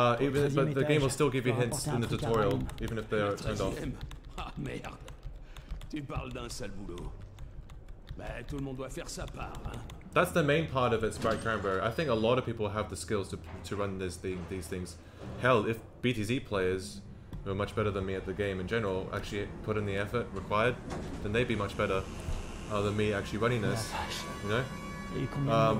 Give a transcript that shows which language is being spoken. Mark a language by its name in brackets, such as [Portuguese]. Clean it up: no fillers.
[English] Even if, but the game will still give you hints in the tutorial, even if they are turned off. [French] Ah merde! Tu parles d'un sale boulot. Bah, tout le monde doit faire sa part, hein? [English] That's the main part of it, Sprite Cranberry. I think a lot of people have the skills to run this thing, these things. Hell, if BTZ players, who are much better than me at the game in general, actually put in the effort required, then they'd be much better than me actually running this, you know?